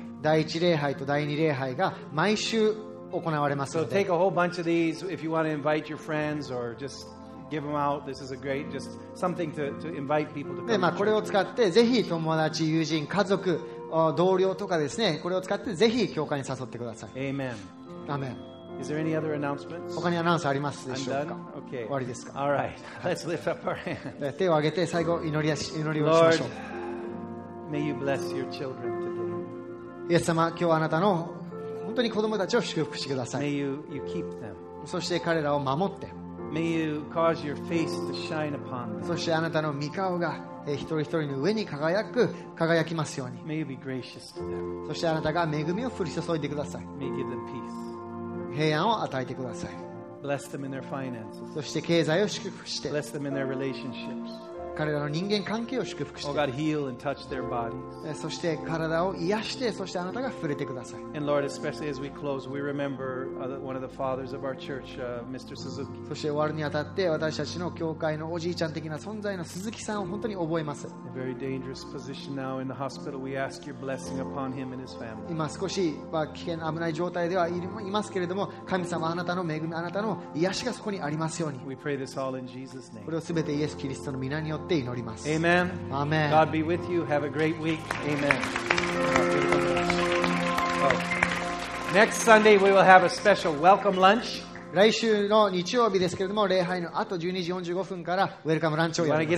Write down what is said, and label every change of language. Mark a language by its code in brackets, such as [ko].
[ja] 第一礼拝と第二礼拝が毎週行われますので。 [en] So take a whole bunch of these if you want to invite your friends or just give them out. This is a great just something to invite people to come. [ja] まあこれを使ってぜひ友達、友人、家族、同僚とかですね、これを使ってぜひ教会に誘ってください。 [en] Amen. Amen. Is there any other announcements? [ja] 他にアナウンスありますでしょうか。 [en] I'm done. Okay. [ja] 終わりですか。 [en] All right. Let's lift up our hands. [ja] 手を挙げて最後祈りをしましょう。 [en] Lord, may you bless your children today. [ja] イエス様、今日あなたの本当に子供たちを祝福してください。 [en] May you keep them. [ja] そして彼らを守って。 [en] May you cause your face to shine upon them. [ja] そしてあなたの御顔が一人一人の上に輝きますように。 [en] May you be gracious to them. [ja] そしてあなたが恵みを降り注いでください。 [en] May you give them peace. [ja] 平安を与えてください。 [en] Bless them in their finances. [ja] そして経済を祝福して。 [en] Bless them in their relationships. [ja] 彼らの人間関係を祝福して。 [en] Oh God, heal and touch their bodies. [ja] そして体を癒して、そしてあなたが触れてください。 [en] And Lord, especially as we close, we remember one of the fathers of our church, Mr. Suzuki. [ja] そして終わるにあたって、私たちの教会のおじいちゃん的な存在の鈴木さんを本当に覚えます。 [en] A very dangerous position now in the hospital. We ask your blessing upon him and his family. [ja] 今少し危険、危ない状態ではいますけれども、神様、あなたの恵み、あなたの癒しがそこにありますように。 [en] We pray this all in Jesus' name. [ja] これをすべてイエス・キリストの名によって祈ります。 [en] Amen. Amen. God be with you. Have a great week. Amen. Next Sunday we will have a special welcome lunch. [ja] 来週の日曜日ですけれども、礼拝のあと12時45分からウェルカムランチをやります。